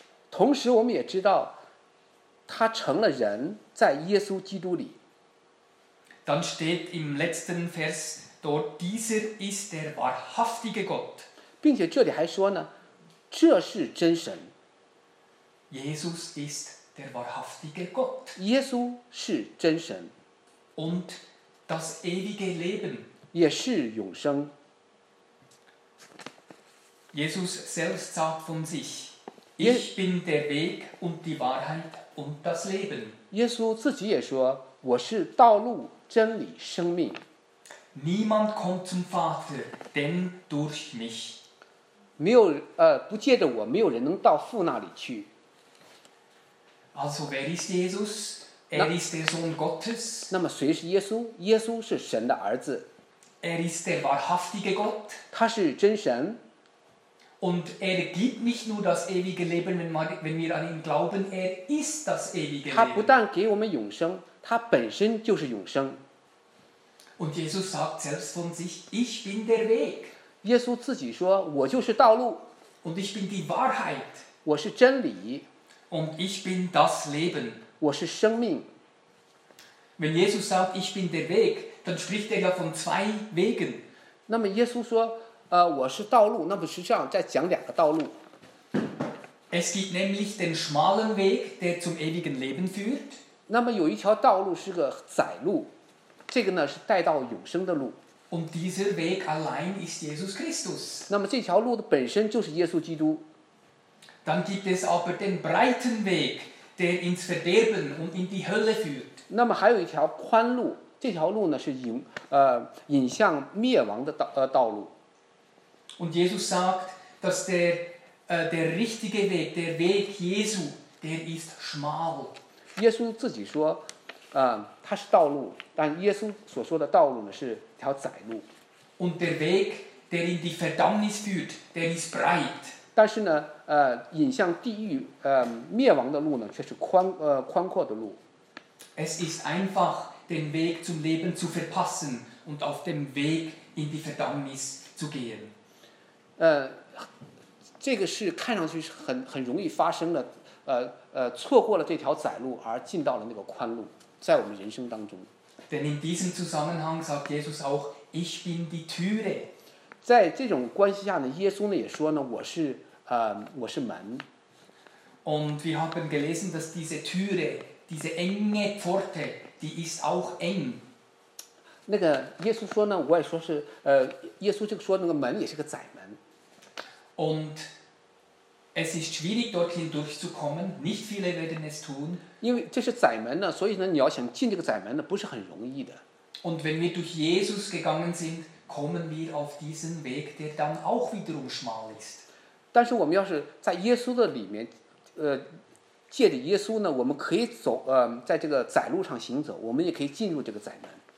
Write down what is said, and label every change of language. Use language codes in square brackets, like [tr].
[zh] 同时我们也知道，他成了人，在耶稣基督里。 [de] Dann steht im letzten Vers dort, dieser ist der wahrhaftige Gott. [zh] 并且这里还说呢，这是真神。 [de] Jesus ist der wahrhaftige Gott. [zh] 耶稣是真神。 [de] Und das ewige Leben. [zh] 也是永生。 [de] Jesus selbst sagt von sich, Ich bin der Weg und die Wahrheit und das Leben. [zh] 耶稣自己也说，我是道路、真理、生命。 [de] Niemand kommt zum Vater, denn durch mich. [zh] 没有，不借着我，没有人能到父那里去。 [de] Also wer ist Jesus? Er ist der Sohn Gottes. [zh] 那么谁是耶稣？耶稣是神的儿子。 [de] Er ist der wahrhaftige Gott. [zh] 他是真神。 [de] Und er gibt nicht nur das ewige Leben, wenn wir an ihn glauben, er ist das ewige Leben. [zh] 他不但给我们永生，他本身就是永生。 [de] Und Jesus sagt selbst von sich, ich bin der Weg. [zh] 耶稣自己说，我就是道路。 [de] Und ich bin die Wahrheit. [zh] 我是真理。 [de] Und ich bin das Leben. [zh] 我是生命。 [de] Wenn Jesus sagt, ich bin der Weg, dann spricht er ja von zwei Wegen. [zh] 那么耶稣说，我是道路，那么实际上在讲两个道路。 [de] Es gibt nämlich den schmalen Weg, der zum ewigen Leben führt. [zh] 那么有一条道路是个窄路，这个呢是带到永生的路。 [de] Und dieser Weg allein ist Jesus Christus. [zh] 那么这条路的本身就是耶稣基督。 [de] Dann gibt es aber den breiten Weg, der ins Verderben und in die Hölle führt. [zh] 那么还有一条宽路，这条路呢是引向灭亡的 道路。 [de] Und Jesus sagt, dass der richtige Weg, der Weg Jesu, der ist schmal. [zh] 耶稣自己说，他是道路，但耶稣所说的道路呢是条窄路。 [de] Und der Weg, der in die Verdammnis führt, der ist breit. [zh] 但是呢，引向地狱、灭亡的路呢，却是宽阔的路。 [de] Es ist einfach, den Weg zum Leben zu verpassen und auf dem Weg in die Verdammnis zu gehen. [zh] 这个是看上去是很容易发生的，错过了这条窄路而进到了那个宽路，在我们人生当中。 [de] Denn in diesem Zusammenhang sagt Jesus auch, ich bin die Türe. [zh] 在这种关系下呢，耶稣呢也说呢，我是门。 [de] Und wir haben gelesen, dass diese Türe, diese enge Pforte, die ist auch eng. [zh] 那个耶稣说呢，我也说是，耶稣这个说那个门也是个窄门。 [de] Und es ist schwierig dorthin durchzukommen. Nicht viele werden es tun. [zh] 因为这是窄门呢，所以呢，你要想进这个窄门呢，不是很容易的。 [de] Und wenn wir durch Jesus gegangen sind, kommen wir auf diesen Weg, der dann auch wiederum schmal ist. [zh] 但是我们要是在耶稣的里面，借着耶稣呢，我们可以走，在这个窄路上行走，我们也可以进入这个窄门。